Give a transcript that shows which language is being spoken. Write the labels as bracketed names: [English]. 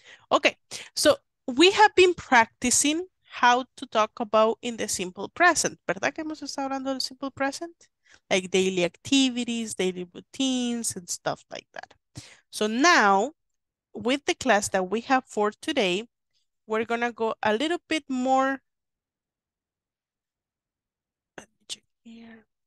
[English] Okay, so we have been practicing how to talk about in the simple present. [Spanish] ¿Verdad que hemos estado hablando del simple present? [English] Like daily activities, daily routines, and stuff like that. So now, with the class that we have for today, we're gonna go a little bit more... Let me check here.